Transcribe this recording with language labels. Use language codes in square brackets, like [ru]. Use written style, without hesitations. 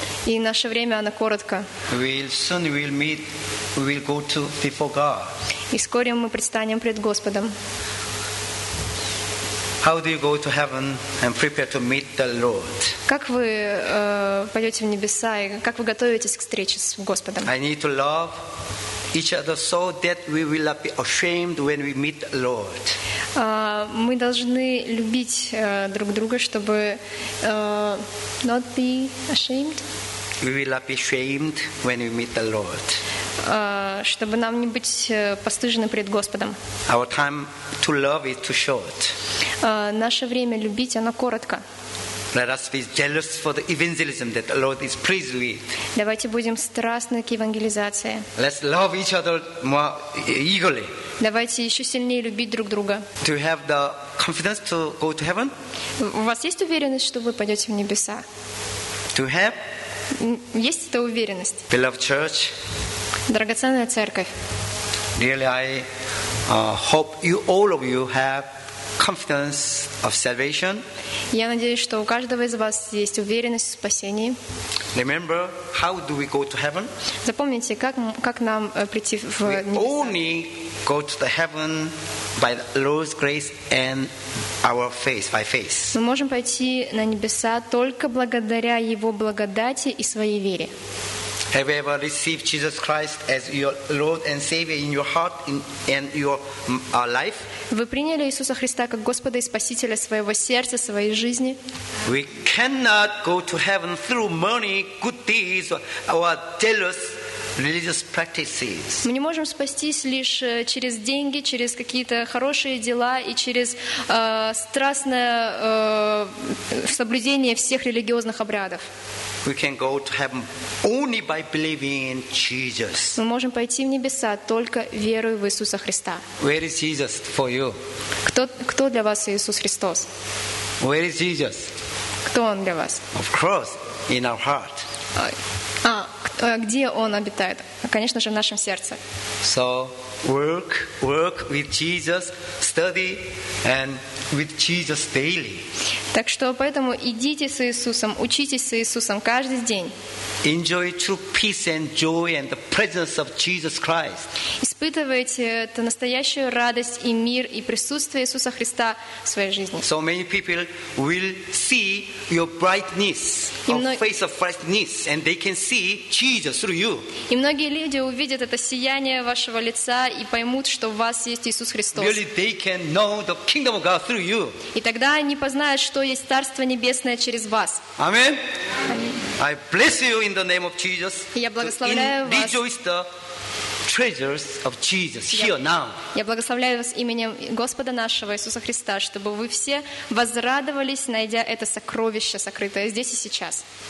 [ru] И наше время, оно коротко. [en] We'll go to before God. [ru] И вскоре мы предстанем пред Господом. [en] How do you go to heaven and prepare to meet the Lord? [ru] Как вы пойдете в небеса и как вы готовитесь к встрече с Господом? [en] I need to love each other so that we will not be ashamed when we meet the Lord. [ru] Мы должны любить друг друга, чтобы [en] not be ashamed. We will not be ashamed when we meet the Lord. [ru] Чтобы нам не быть постыжены пред Господом. [en] Our time to love is too short. [ru] Наше время любить, оно коротко. [en] Let us be jealous for the evangelism that the Lord is pleased with. [ru] Давайте будем страстны к евангелизации. [en] Let's love each other more eagerly. [ru] Давайте еще сильнее любить друг друга. [en] Do you have the confidence to go to heaven? [ru] У вас есть уверенность, что вы пойдете в небеса? [en] Do you have? [ru] Есть эта уверенность? [en] Beloved church. [ru] Драгоценная церковь. [en] Really, I hope you all of you have confidence of salvation. [ru] Я надеюсь, что у каждого из вас есть уверенность в спасении. [en] Remember, how do we go to heaven? [ru] Запомните, как нам прийти в небеса. [en] We only go to the heaven by the Lord's grace and our faith, by faith. [ru] Мы можем пойти на небеса только благодаря Его благодати и своей вере. [en] Have you ever received Jesus Christ as your Lord and Savior in your heart and your life? [ru] Вы приняли Иисуса Христа как Господа и Спасителя своего сердца, своей жизни? [en] We cannot go to heaven through money, good deeds, or jealous religious practices. [ru] Мы не можем спастись лишь через деньги, через какие-то хорошие дела и через страстное соблюдение всех религиозных обрядов. [en] We can go to heaven only by believing in Jesus. [ru] Мы можем пойти в небеса только верой в Иисуса Христа. [en] Where is Jesus for you? [ru] Кто для вас Иисус Христос? [en] Where is Jesus? [ru] Кто он для вас? [en] Of course, in our heart. [ru] где он обитает? Конечно же, в нашем сердце. [en] So work with Jesus, study and with Jesus daily. [ru] Так что поэтому идите с Иисусом, учитесь с Иисусом каждый день. [en] Enjoy true peace and joy and the presence of Jesus Christ. [ru] Испытывайте эту настоящую радость и мир и присутствие Иисуса Христа в своей жизни. [en] So many people will see your brightness, your face of brightness, and they can see Jesus through you. [ru] И многие люди увидят это сияние вашего лица и поймут, что в вас есть Иисус Христос. [en] Really, they can know the kingdom of God through you. [ru] И тогда они познают, что есть Царство Небесное через вас. [en] Amen. I bless you in the name of Jesus. [ru] Я благословляю вас. [en] Rejoice the treasures of Jesus here now. [ru] Я благословляю вас именем Господа нашего Иисуса Христа, чтобы вы все возрадовались, найдя это сокровище, сокрытое здесь и сейчас.